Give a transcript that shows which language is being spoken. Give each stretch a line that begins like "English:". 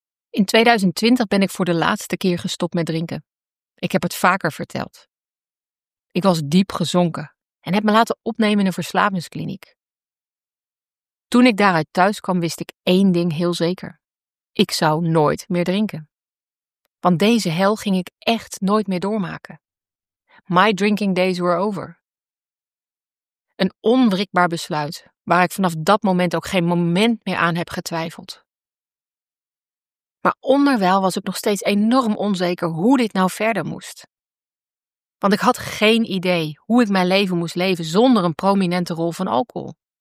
Dutch: In 2020 ben ik voor de laatste keer gestopt met drinken. Ik heb het vaker verteld. Ik was diep gezonken en heb me laten opnemen in een verslavingskliniek. Toen ik daaruit thuis kwam, wist ik één ding heel zeker. Ik zou nooit meer drinken. Want deze hel ging ik echt nooit meer doormaken.
English: My drinking days were over.
Dutch: Een onwrikbaar besluit waar ik vanaf dat moment ook geen moment meer aan heb getwijfeld. Maar onderwijl was ik nog steeds enorm onzeker hoe dit nou verder moest. Want ik had geen idee hoe ik mijn leven moest leven zonder een prominente rol van alcohol.